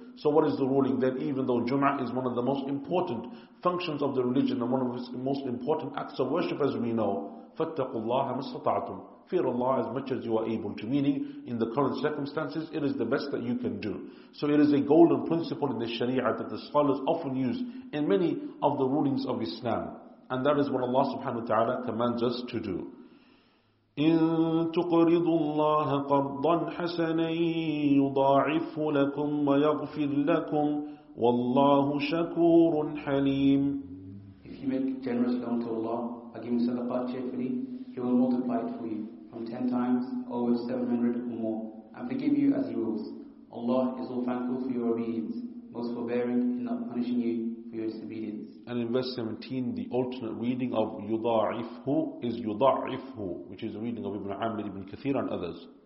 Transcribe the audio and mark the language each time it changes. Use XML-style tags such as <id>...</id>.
<en>So what is the ruling then? Even though Jum'ah is one of the most important functions of the religion and one of its most important acts of worship as we know,</en> <ar>فَاتَّقُوا اللَّهَ مَا اسْتَطَعْتُمْ.</ar> <en>Fear Allah as much as you are able to, meaning in the current circumstances, it is the best that you can do. So it is a golden principle in the Sharia that the scholars often use in many of the rulings of Islam. And that is what Allah subhanahu wa ta'ala commands us to do.</en> <ar>إن تقرضوا الله قرضا حسنا يضاعف لكم ويغفر لكم والله شكور حليم.</ar> <en>If you make generous loan to Allah by giving sadaqah cheerfully, He will multiply it for you from 10 times over 700 or more and forgive you as He wills. Allah is all thankful for your obedience, most forbearing in not punishing you for your disobedience. And in verse 17, the alternate reading of yudha'ifhu is yudha'ifhu, which is a reading of Ibn Amr, Ibn Kathir and others.</en>